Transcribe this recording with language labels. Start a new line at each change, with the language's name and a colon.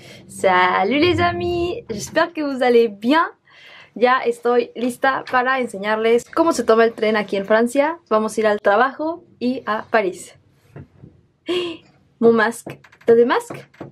French: Salut les amis, j'espère que vous allez bien.
Spanish: Ya estoy lista para enseñarles cómo se toma el tren aquí en Francia. Vamos a ir al trabajo y a París.
French: Mon masque, t'as des masques?